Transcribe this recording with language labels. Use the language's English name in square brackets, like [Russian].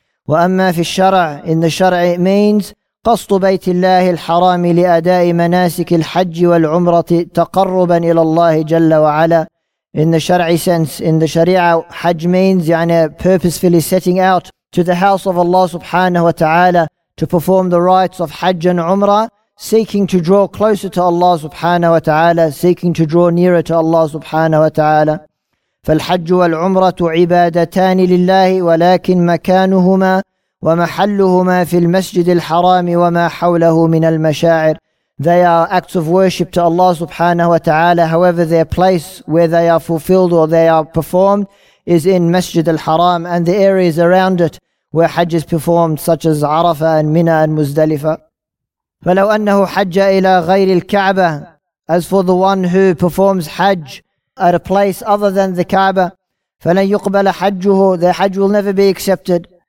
[Arabic] وأما في الشرع, [English] in the شرع it means [Arabic] قصد بيت الله الحرام لأداء مناسك الحج والعمرة تقربا إلى الله جل وعلا. [English] In the Shari'i sense, in the Sharia, Hajj means يعني, purposefully setting out to the house of Allah subhanahu wa ta'ala to perform the rites of Hajj and Umrah, seeking to draw closer to Allah subhanahu wa ta'ala, seeking to draw nearer to Allah subhanahu wa ta'ala. [Arabic] فالحج والعمرة عبادتان لله ولكن مكانهما ومحلهما في المسجد الحرام وما حوله من المشاعر. [English] They are acts of worship to Allah subhanahu wa ta'ala. However, their place where they are fulfilled or they are performed is in Masjid al-Haram and the areas around it where Hajj is performed, such as Arafah and Mina and Muzdalifah. [Arabic] فَلَوْ أَنَّهُ حَجَّ إِلَى غَيْرِ الْكَعْبَةِ, [English] as for the one who performs Hajj at a place other than the Kaaba, [Arabic] فَلَنْ يُقْبَلَ حَجُّهُ, [English] their Hajj will never be accepted.